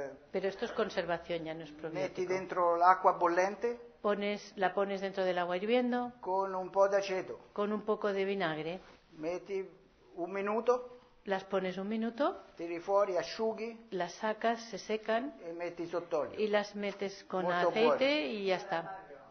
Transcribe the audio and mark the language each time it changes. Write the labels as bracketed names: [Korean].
[Spanish] Pero esto es conservación, ya no es probiótico. [Italian] Metti dentro l'acqua bollente. [Spanish] La pones dentro del agua hirviendo. [Italian] Con un po' d'aceto. [Spanish] Con un poco de vinagre. [Italian] Metti un minuto. [Spanish] Las pones un minuto. [Italian] Tiri fuori, asciughi. [Spanish] Las sacas, se secan. [Italian] E metti sott'olio. [Spanish] Y las metes con molto aceite [Italian] buono. [Spanish] Y ya está.